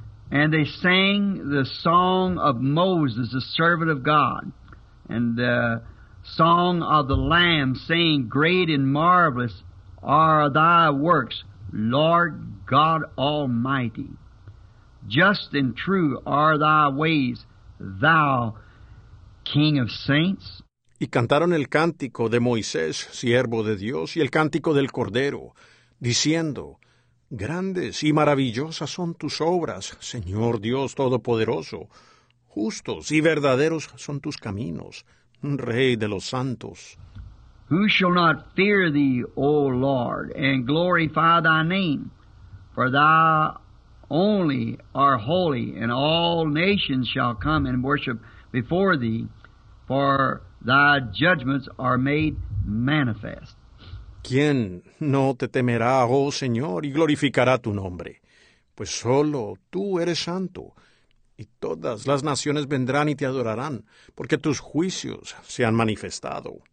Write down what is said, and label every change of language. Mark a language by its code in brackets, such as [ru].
[en] And they sang the song of Moses, the servant of God, and the song of the Lamb, saying, Great and marvelous are thy works, Lord God Almighty. Just and true are thy ways, thou King of Saints. [es] Y cantaron el cántico de Moisés, siervo de Dios, y el cántico del Cordero, diciendo, Grandes y maravillosas son tus obras, Señor Dios Todopoderoso. Justos y verdaderos son tus caminos, Rey de los Santos. [en] Who shall not fear thee, O Lord, and glorify thy name? For thou only art holy, and all nations shall come and worship before thee, for thy judgments are made manifest. [es] ¿Quién no te temerá, oh Señor, y glorificará tu nombre? Pues solo tú eres santo, y todas las naciones vendrán y te adorarán, porque tus juicios se han manifestado.